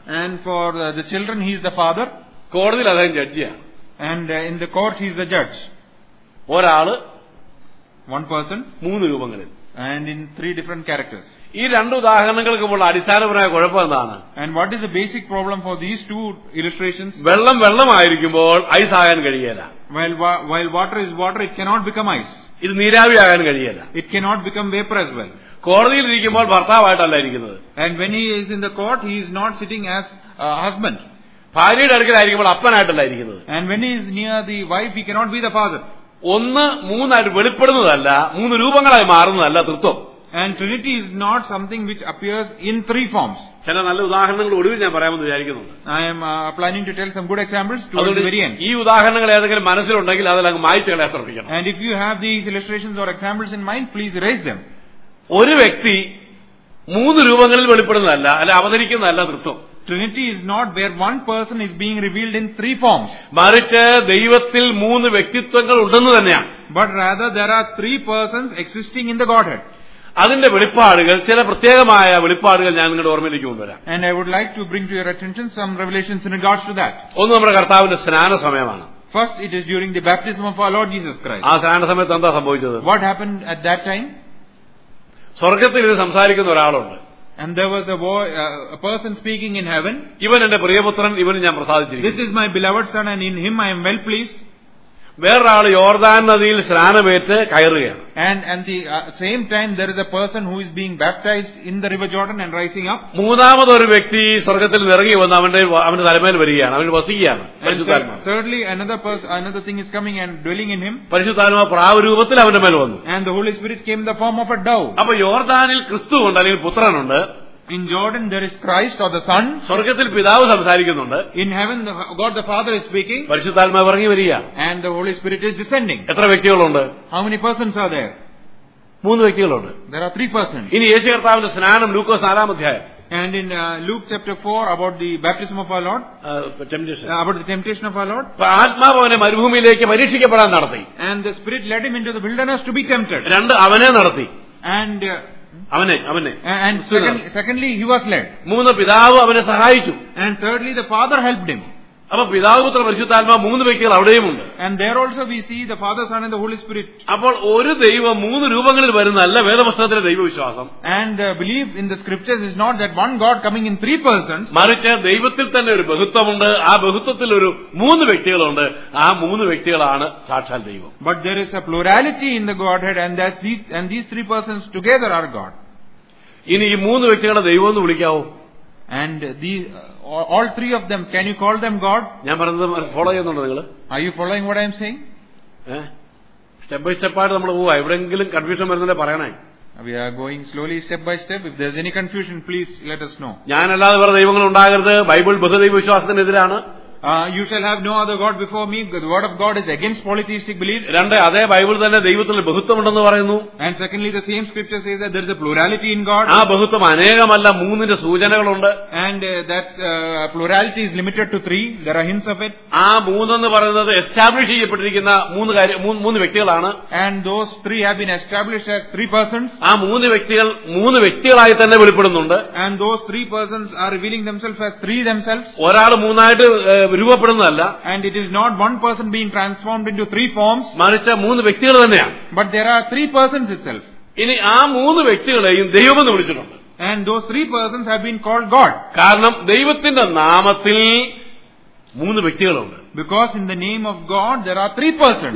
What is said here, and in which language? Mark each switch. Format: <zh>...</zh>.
<en>And for the children he is the father.</en> <ml>കോടതിയിൽ അദ്ദേഹം ജഡ്ജിയാണ്.</ml> <en>And in the court he is the judge.</en> <ml>ഒരാള്</ml> <en>one person</en> <ml>മൂന്ന് രൂപങ്ങളിൽ.</ml> <en>And in three different characters.</en> <ml>ഈ രണ്ട് ഉദാഹരണങ്ങൾക്ക് മുമ്പ് അടിസ്ഥാനപരമായ കുഴപ്പം എന്താണ്?</ml> <en>And what is the basic problem for these two illustrations?</en> <ml>വെള്ളം വെള്ളമായിരിക്കുമ്പോൾ ഐസ് ആകാൻ കഴിയില്ല.</ml> <en>While water is water, it cannot become ice.</en> <ml>ഇത് നീരാവി ആകാൻ കഴിയില്ല.</ml> <en>It cannot become vapor as well.</en> <ml>കോടതിയിൽ ഇരിക്കുമ്പോൾ ഭർത്താവായിട്ടല്ല ഇരിക്കുന്നത്.</ml> <en>And when he is in the court, he is not sitting as husband.</en> <ml>ഭാര്യയുടെ അടുക്കലായിരിക്കുമ്പോൾ അപ്പനായിട്ടല്ല ഇരിക്കുന്നത്.</ml> <en>And when he is near the wife, he cannot be the father.</en> <ml>ഒന്ന് മൂന്നായിട്ട് വെളിപ്പെടുന്നതല്ല, മൂന്ന് രൂപങ്ങളായി മാറുന്നതല്ല തൃത്വം.</ml> <en>And Trinity is not something which appears in three forms.</en> <ml>ചില നല്ല ഉദാഹരണങ്ങൾ ഒടുവിൽ ഞാൻ പറയാമെന്ന് വിചാരിക്കുന്നു.</ml> <en>I am planning to tell some good examples to the very end.</en> <ml>ഈ ഉദാഹരണങ്ങൾ ഏതെങ്കിലും മനസ്സിലുണ്ടെങ്കിൽ അതെല്ലാം മായ്ച്ചുകളെ സമർപ്പിക്കണം.</ml> <en>And if you have these illustrations or examples in mind, please raise them.</en> <ml>ഒരു വ്യക്തി മൂന്ന് രൂപങ്ങളിൽ വെളിപ്പെടുന്നതല്ല, അല്ല അവതരിക്കുന്നതല്ല തൃത്വം.</ml> <en>Trinity is not where one person is being revealed in three forms.</en> <ml>മറിച്ച് ദൈവത്തിൽ മൂന്ന് വ്യക്തിത്വങ്ങൾ ഉണ്ടെന്ന് തന്നെയാണ്.</ml> <en>But rather there are three persons existing in the Godhead.</en> <ml>അതിന്റെ വെളിപ്പാടുകൾ, ചില പ്രത്യേകമായ വെളിപ്പാടുകൾ ഞാൻ നിങ്ങളുടെ ഓർമ്മയിലേക്ക് കൊണ്ടുവരാം.</ml> <en>And I would like to bring to your attention some revelations in regards to that.</en> <ml>ഒന്ന്, നമ്മുടെ കർത്താവിന്റെ സ്നാന സമയമാണ്.</ml> <en>First it is during the baptism of our Lord Jesus Christ.</en> <ml>ആ സ്നാന സമയത്ത് എന്താ സംഭവിച്ചത്?</ml> <en>What happened at that time?</en> <ml>സ്വർഗ്ഗത്തിൽ ഇരുന്ന് സംസാരിക്കുന്ന ഒരാളുണ്ട്.</ml> <en>And there was a person speaking in heaven.</en> <ml>ഇവൻ എന്റെ പ്രിയപുത്രൻ, ഇവനെ ഞാൻ പ്രസാദിച്ചിരിക്കുന്നു.</ml> <en>This is my beloved son and in him I am well pleased.</en> <ml>വേറൊരാൾ യോർദാൻ നദിയിൽ സ്നാനമേറ്റ് കയറുകയാണ്.</ml> <en>And the same time there is a person who is being baptized in the river Jordan and rising up.</en> <ml>മൂന്നാമതൊരു വ്യക്തി സ്വർഗ്ഗത്തിൽ ഇറങ്ങി വന്ന് അവന്റെ തലമേൽ വരികയാണ്, അവന് വസിക്കുകയാണ്.</ml> <en>Thirdly another thing is coming and dwelling in him.</en> <ml>പരിശുദ്ധാത്മാവ് പ്രാവരൂപത്തിൽ അവന്റെ മേൽ വന്നു.</ml> <en>And the Holy Spirit came in the form of a dove.</en> <ml>അപ്പോൾ യോർദാനിൽ ക്രിസ്തു ഉണ്ട്, അല്ലെങ്കിൽ പുത്രനുണ്ട്.</ml> <en>In Jordan there is Christ or the Son.</en> <ml>സ്വർഗ്ഗത്തിൽ പിതാവ് സംസാരിക്കുന്നുണ്ട്.</ml> <en>In heaven God the Father is speaking.</en> <ml>പരിശുദ്ധാത്മാവ് ഇറങ്ങി വരിക.</ml> <en>And the Holy Spirit is descending.</en> <ml>എത്ര വ്യക്തികളുണ്ട്?</ml> <en>How many persons are there?</en> <ml>മൂന്ന് വ്യക്തികളുണ്ട്.</ml> <en>There are three persons.</en> <ml>ഇനി യേശു കർത്താവിന്റെ സ്നാനം, ലൂക്കോസ് 4-ാം അധ്യായം.</ml> <en>And in Luke chapter 4 about the baptism of our Lord. About the temptation of our Lord.</en> <ml>ആത്മാവനെ മരുഭൂമിയിലേക്ക് പരീക്ഷിക്കപ്പെടാൻ നടത്തി.</ml> <en>And the Spirit led him into the wilderness to be tempted.</en> <ml>രണ്ട്, അവനെ നടത്തി.</ml> <en>And secondly he was led.</en> <ml>മൂന്ന്, പിതാവ് അവനെ സഹായിച്ചു.</ml> <en>And thirdly the Father helped him.</en> <ml>അപ്പോൾ പിതാവ്, പുത്രൻ, പരിശുദ്ധാത്മാവ് മൂന്ന് വ്യക്തികൾ അവിടെയും ഉണ്ട്.</ml> <en>And there also we see the Father, Son and the Holy Spirit.</en> <ml>അപ്പോൾ ഒരു ദൈവം മൂന്ന് രൂപങ്ങളിൽ വരുന്നല്ല വേദപുസ്തകത്തിലെ ദൈവവിശ്വാസം.</ml> <en>And the belief in the scriptures is not that one God coming in three persons.</en> <ml>മറിച്ച് ദൈവത്തിൽ തന്നെ ഒരു ബഹുത്വമുണ്ട്, ആ ബഹുത്വത്തിൽ ഒരു മൂന്ന് വ്യക്തികളുണ്ട്, ആ മൂന്ന് വ്യക്തികളാണ് സാക്ഷാൽ ദൈവം.</ml> <en>But there is a plurality in the Godhead and these three persons together are God.</en> <ml>ഇനി ഈ മൂന്ന് വ്യക്തികളെ ദൈവം എന്ന് വിളിക്കാവോ?</ml> <en>And all three of them, can you call them God?</en> <ml>ഞാൻ പറഞ്ഞത് ഫോളോ ചെയ്യുന്നുണ്ടോ നിങ്ങൾ?</ml> <en>Are you following what I am saying? Step by step</en> <ml>ആയിട്ട് നമ്മൾ പോവാ. എവിടെയെങ്കിലും കൺഫ്യൂഷൻ വരുന്നില്ല പറയണേ.</ml> <en>We are going slowly step by step. If there's any confusion, please let us know.</en> <ml>ഞാൻ അല്ലാതെ വേറെ ദൈവങ്ങൾ ഉണ്ടാകരുത്. ബൈബിൾ ബഹുദൈവ വിശ്വാസത്തിന് എതിരാണ്.</ml> <en>You shall have no other God before me. The word of God is against polytheistic beliefs.</en> <ml>രണ്ട്, അതേ ബൈബിൾ തന്നെ ദൈവത്തിൽ ബഹുത്വം ഉണ്ടെന്ന് പറയുന്നു.</ml> <en>And secondly, the same scripture says that there is a plurality in God.</en> <ml>ആ ബഹുത്വം അനേകമല്ല, മൂന്നിന്റെ സൂചനകളുണ്ട്.</ml> <en>And that plurality is limited to three. There are hints of it.</en> <ml>ആ മൂന്നെന്ന് പറയുന്നത് എസ്റ്റാബ്ലിഷ് ചെയ്യപ്പെട്ടിരിക്കുന്ന മൂന്ന് വ്യക്തികളാണ്.</ml> <en>And those three have been established as three persons.</en> <ml>ആ മൂന്ന് വ്യക്തികൾ മൂന്ന് വ്യക്തികളായി തന്നെ വെളിപ്പെടുന്നുണ്ട്.</ml> <en>And those three persons are revealing themselves as three themselves.</en> <ml>ഒരാൾ മൂന്നായിട്ട് രൂപപ്പെടുന്നതല്ല.</ml> <en>And it is not one person being transformed into three forms.</en> <ml>മറിച്ച് മൂന്ന് വ്യക്തികൾ തന്നെയാണ്.</ml> <en>But there are three persons itself.</en> <ml>ഇനി ആ മൂന്ന് വ്യക്തികളെയും ദൈവം എന്ന് വിളിച്ചിട്ടുണ്ട്.</ml> <en>And those three persons have been called God.</en> <ml>കാരണം ദൈവത്തിന്റെ നാമത്തിൽ മൂന്ന് വ്യക്തികളുണ്ട്.</ml> <en>Because in the name of God there are three persons.</en>